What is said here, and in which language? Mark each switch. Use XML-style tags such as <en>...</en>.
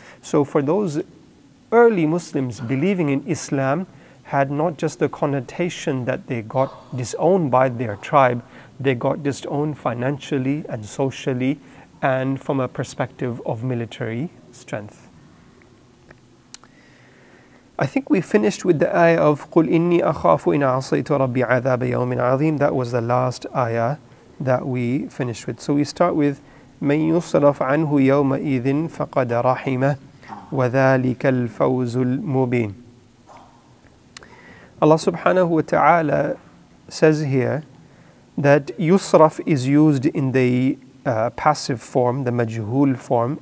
<en>So for those early Muslims, believing in Islam had not just the connotation that they got disowned by their tribe, they got disowned financially and socially and from a perspective of military strength. I think we finished with the ayah of</en> <ar>قُلْ إِنِّي أَخَافُ إِنْ عَصَيْتُ رَبِّي عَذَابَ يَوْمٍ عَظِيمٍ.</ar> <en>That was the last ayah that we finished with. So we start with</en> <ar>مَنْ يُصْرَفْ عَنْهُ يَوْمَئِذٍ فَقَدْ رَحِمَهُ وَذَلِكَ الْفَوْزُ الْمُبِينَ.</ar> <en>Allah subhanahu wa ta'ala says here that yusraf is used in the passive form, the majhul form.</en>